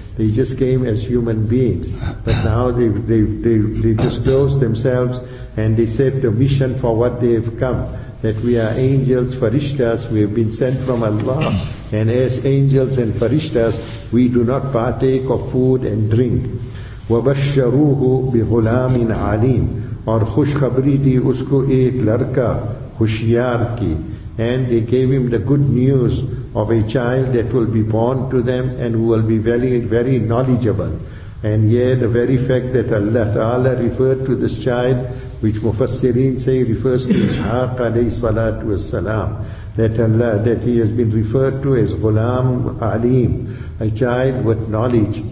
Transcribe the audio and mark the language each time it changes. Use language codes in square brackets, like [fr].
[en] They just came as human beings. But now they disclosed themselves and they said the mission for what they have come. That we are angels, farishtas, we have been sent from Allah. And as angels and farishtas, we do not partake of food and drink. [ar] وَبَشَّرُوهُ بِغُلَامٍ عَلِيمٍ. [ur] اور خوش خبری دی اس کو ایک لڑکا ہوشیار کی. [en] And they gave him the good news of a child that will be born to them and who will be very, very knowledgeable. And yeah, the very fact that Allah Ta'ala referred to this child, which Mufassirin say refers to Ishaq alayhi salatu wassalam, that he has been referred to as Ghulam Alim, a child with knowledge.